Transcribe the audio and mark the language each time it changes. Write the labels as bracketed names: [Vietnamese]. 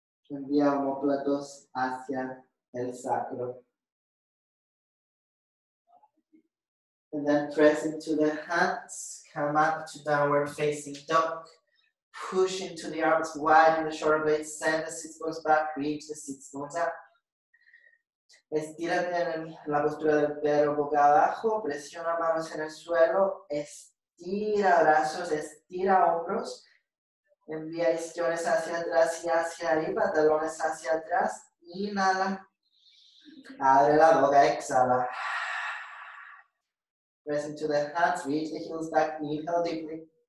[Spanish] Envía omóplatos hacia el sacro. [English] And then press into the hands, come up to downward facing dog. Push into the arms, widen the shoulder blades, send the sit bones back, reach the sit bones up. [Spanish] Estírate en la postura del perro boca abajo, presiona manos en el suelo, estira brazos, estira hombros, envía isquiones hacia atrás y hacia arriba, talones hacia atrás, inhala, abre la boca, exhala. [English] Press into the hands, reach the heels back, inhale deeply.